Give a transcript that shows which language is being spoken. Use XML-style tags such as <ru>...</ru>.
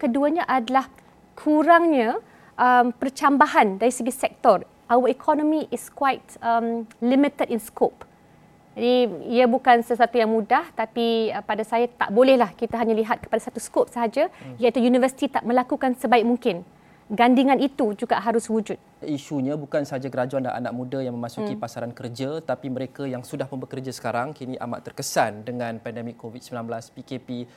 <ms>Keduanya adalah kurangnya percambahan dari segi sektor.</ms> <en>Our economy is quite limited in scope.</en> <ms>Jadi ia bukan sesuatu yang mudah, tapi pada saya tak bolehlah kita hanya lihat kepada satu skop sahaja, iaitu universiti tak melakukan sebaik mungkin. Gandingan itu juga harus wujud. Isunya bukan sahaja graduan dan anak muda yang memasuki pasaran kerja, tapi mereka yang sudah pun bekerja sekarang kini amat terkesan dengan pandemik COVID-19, PKP.</ms>